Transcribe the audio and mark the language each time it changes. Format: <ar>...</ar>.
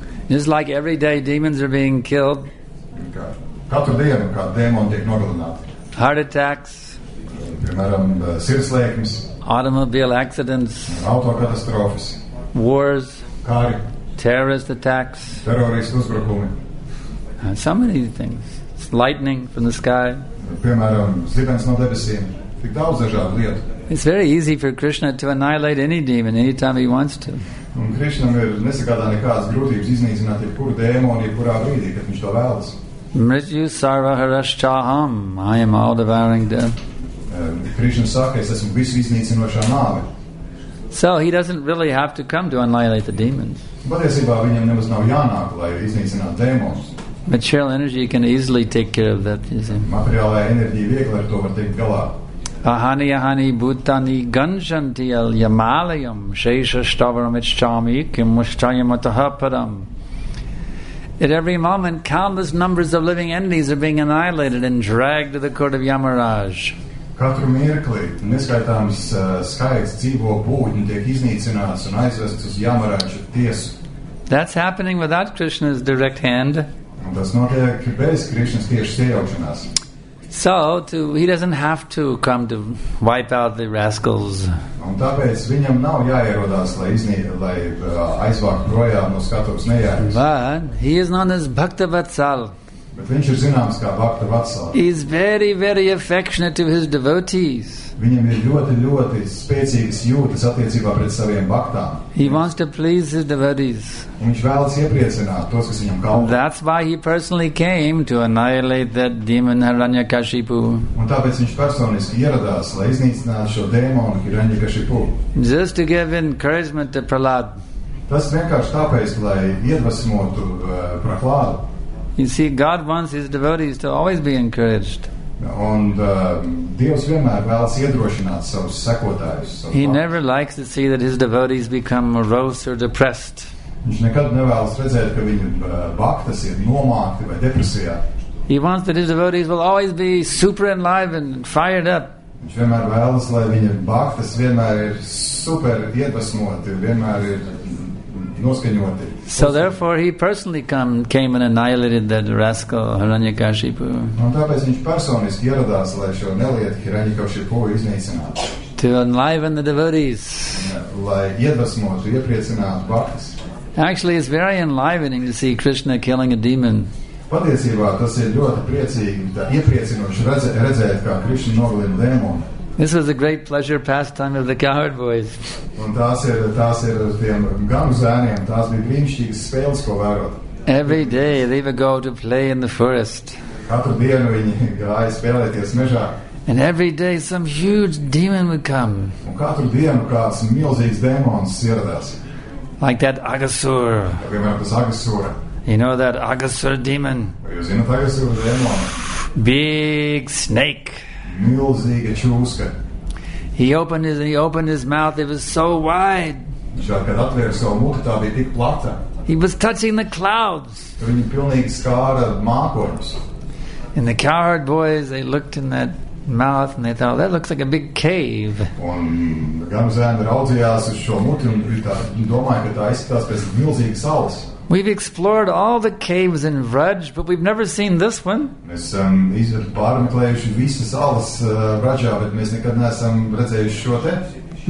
<en>Just like every day demons are being killed.</en> <lv>Katru dienu, kad dēmoni tiek nogalināti.</lv> <en>Heart attacks.</en> <lv>Piemēram, sirdslēkmes.</lv> <en>Automobile accidents.</en> <lv>Autokatastrofas.</lv> <en>Wars.</en> <lv>Kari.</lv> <en>Terrorist attacks.</en> <lv>Terroristu uzbrukumi.</lv> <en>So many things. It's lightning from the sky.</en> <lv>Piemēram, zibens no debesīm. Tik daudz dažādu lietu.</lv> <en>It's very easy for Krishna to annihilate any demon anytime he wants to.</en> <lv>Un Krishnam ir nesagādā nekādas grūtības iznīcināt jebkuru dēmoni, jebkurā brīdī, kad viņš to vēlas.</lv> <sa>Mrityu sarva harashtaham,</sa> <en>I am all devouring death.</en> <lv>Krishna saka, es esmu visu iznīcinošā nāve.</lv> <en>So he doesn't really have to come to annihilate the demons.</en> <lv>Patiesībā viņam nemaz nav jānāk, lai iznīcinātu dēmonus.</lv> <en>Material energy can easily take care of that, you see.</en> <lv>Materiālā enerģija viegli ar to var tikt galā.</lv> <sa>Ahani ahani bhutani ganjanti al yamalayam shesha stavaram ichchami kim mushtayam atahaparam.</sa> <en>At every moment, countless numbers of living entities are being annihilated and dragged to the court of Yamaraj.</en> <lv>Katru mirkli, neskaitāms skaits dzīvo būtņi tiek iznīcināts un aizvests uz Yamaraja tiesu.</lv> <en>That's happening without Krishna's direct hand.</en> <lv>Un tas notiek bez Krišnas tieši sajaukšanās.</lv> <en>So, he doesn't have to come to wipe out the rascals.</en> <lv>Un tāpēc viņam nav jāierodās, lai aizvākt projā no skatuves nejāris.</lv> <en>But he is known as Bhakta Vatsal.</en> <lv>Bet viņš ir zināms kā Bhakta Vatsal.</lv> <en>He is very, very affectionate to his devotees.</en> <lv>Viņam ir ļoti, ļoti spēcīgas jūtas attiecībā pret saviem bhaktām.</lv> <en>He wants to please his devotees.</en> <lv>Un viņš vēlas iepriecināt tos, kas viņam kalpo.</lv> <en>That's why he personally came to annihilate that demon Hiranyakashipu.</en> <lv>Un tāpēc viņš personiski ieradās, lai iznīcinātu šo dēmonu Hiranyakashipu.</lv> <en>Just to give encouragement to Prahlad.</en> <lv>Tas vienkārši tāpēc, lai iedvesmotu Prahlādu.</lv> <en>You see, God wants his devotees to always be encouraged.</en> <lv>Un Dievs vienmēr vēlas iedrošināt savus sekotājus.</lv> <en>He never likes to see that his devotees become morose or depressed.</en> <lv>Viņš nekad nevēlas redzēt, ka viņu bhaktas ir nomākti vai depresijā.</lv> <en>He wants that his devotees will always be super enlivened and fired up.</en> <lv>Viņš vienmēr vēlas, lai viņa bhaktas vienmēr ir super iedvesmoti, vienmēr ir noskaņoti.</lv> <en>So therefore he personally came and annihilated that rascal Hiranyakashipu.</en> <lv>Un tāpēc viņš personiski ieradās, lai šo nelietu Hiranyakashipu iznīcinātu.</lv> <en>To enliven the devotees.</en> <lv>Lai iedvesmotu, iepriecinātu bhaktas.</lv> <en>Actually, it's very enlivening to see Krishna killing a demon.</en> <lv>Patiesībā tas ir ļoti priecīgi, iepriecinoši redzēt, kā Krishna nogalina dēmonu.</lv> <en>This was a great pleasure pastime of the cowherd boys.</en> <lv>Un tās ir tiem ganu zēniem, tās bija brīnišķīgas spēles, ko vērot.</lv> <en>Every day they would go to play in the forest.</en> <lv>Katru dienu viņi gāja spēlēties mežā.</lv> <en>And every day some huge demon would come.</en> <lv>Un katru dienu kāds milzīgs dēmons ieradās.</lv> <en>Like that Agasur.</en> <lv>Piemēram, tas Agasur.</lv> <en>You know that Agasur demon?</en> <lv>Jūs zināt Agasur dēmonu?</lv> <en>Big snake.</en> <lv>Milzīga čūska.</lv> <en>He opened his mouth, it was so wide.</en> <lv>Kad atvēra savu muti, tā bija tik plata.</lv> <en>He was touching the clouds.</en> <lv>Viņi pilnīgi skāra mākoņus.</lv> <en>And the cowherd boys, they looked in that mouth and they thought, that looks like a big cave.</en> <lv>Un gan zēni raudzījās uz šo muti un domāja, ka tā izskatās pēc milzīgas salas.</lv> <en>We've explored all the caves in Vraj, but we've never seen this one.</en> <lv>Mēs esam pārmeklējuši visas salas Vrajā, bet mēs nekad neesam redzējuši šo te.</lv>